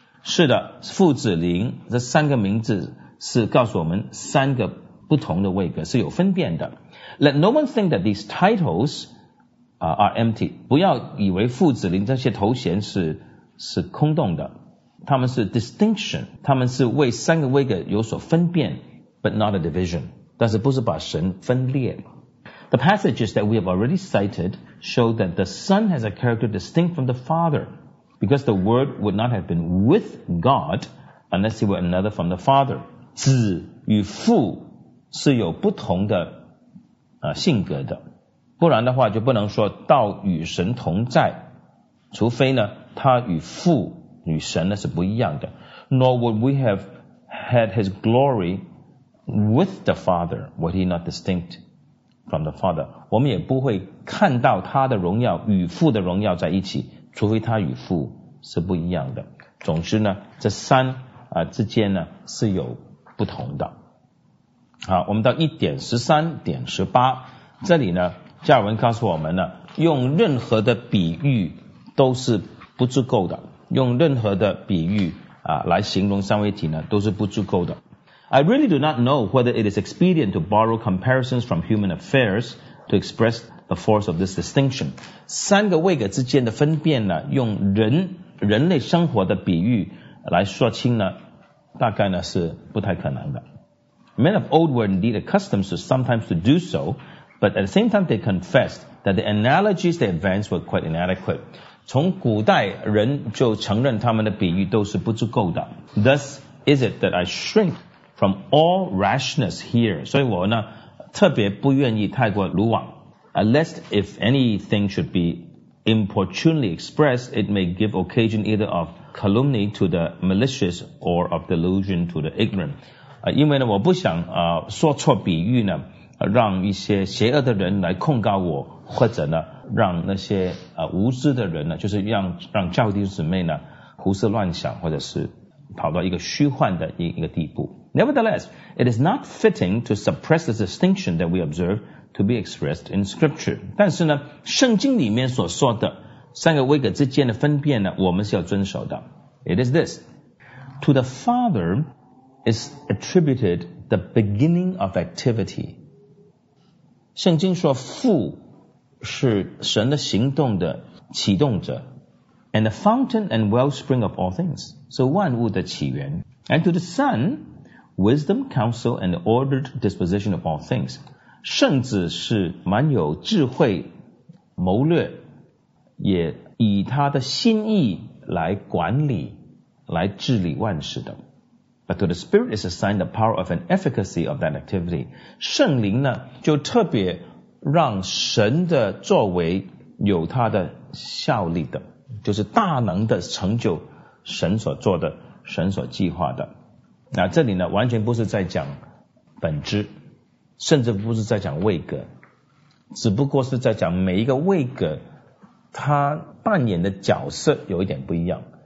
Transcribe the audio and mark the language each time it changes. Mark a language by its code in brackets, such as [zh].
[zh] 是的，父子灵这三个名字是告诉我们三个不同的位格，是有分辨的。 [en] Let no one think that these titles are empty. [zh] 不要以为父子灵这些头衔是空洞的，他们是 distinction， 他们是为三个位格有所分辨， [en] but not a division. [zh] 但是不是把神分裂。 [en] The passages that we have already cited show that the Son has a character distinct from the Father, because the Word would not have been with God unless he were another from the Father. [zh] 子与父是有不同的性格的，不然的话就不能说道与神同在，除非呢他与父与神呢是不一样的。 [en] Nor would we have had his glory. With the Father, were he not distinct from the Father? [zh] 我们也不会看到他的荣耀与父的荣耀在一起，除非他与父是不一样的。总之呢，这三之间呢是有不同的。好，我们到1:13-18，这里呢，加尔文告诉我们呢，用任何的比喻都是不足够的，用任何的比喻来形容三位一体呢都是不足够的。 [en] I really do not know whether it is expedient to borrow comparisons from human affairs to express the force of this distinction. [zh] 三个位格之间的分辨呢，用人类生活的比喻来说清呢，大概呢是不太可能的。 [en] Men of old were indeed accustomed to sometimes to do so, but at the same time they confessed that the analogies they advanced were quite inadequate. [zh] 从古代人就承认他们的比喻都是不足够的。 [en] Thus is it that I shrink. From all rashness here, [zh] 所以我呢特别不愿意太过鲁莽 [en] lest if anything should be importunately expressed, it may give occasion either of calumny to the malicious or of delusion to the ignorant. [zh] 因为呢我不想说错比喻呢，让一些邪恶的人来控告我，或者呢让那些无知的人呢，就是让教弟兄姊妹呢胡思乱想，或者是跑到一个虚幻的一个地步。 [en] Nevertheless, it is not fitting to suppress the distinction that we observe to be expressed in Scripture. [zh] 但是呢，圣经里面所说的三个位格之间的分辨呢，我们是要遵守的。 [en] It is this. To the Father is attributed the beginning of activity. [zh] 圣经说父是神的行动的启动者。 [en] And the fountain and wellspring of all things. [zh] 是万物的起源。 [en] And to the Son...Wisdom, counsel, and ordered disposition of all things. [zh] 圣子是蛮有智慧谋略，也以他的心意来管理来治理万事的。 [en] But to the Spirit is assigned the power of an efficacy of that activity. [zh] 圣灵呢就特别让神的作为有他的效力的，就是大能的成就神所做的，神所计划的。那这里呢完全不是在讲本质，甚至不是在讲位格，只不过是在讲每一个位格他扮演的角色有一点不一样。